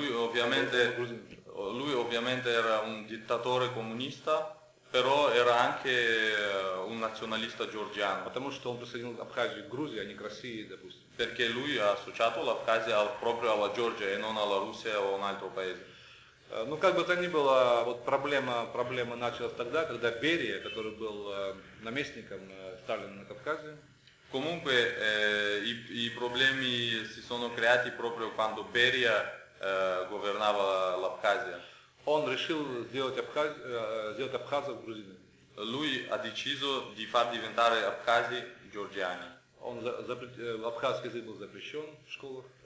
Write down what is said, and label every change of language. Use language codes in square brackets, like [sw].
[it] Lui ovviamente era un dittatore comunista. Però era anche un nazionalista georgiano. [ru] Потому что он присоединил Абхазию к Грузии, а не к России, допустим. [it] Perché lui ha associato l'Abkhazia proprio alla Georgia e non alla Russia o un altro paese. [ru] Ну как бы то ни было, вот проблема началась тогда, когда Берия, который был наместником Сталина на Кавказе. [it] Comunque i problemi si sono creati proprio quando Берия governava l'Abkhazia. [ru] Он решил сделать абхазов грузинами. [it] Lui ha deciso di far diventare абхази georgiani. [ru] Абхазский язык был запрещен в школах.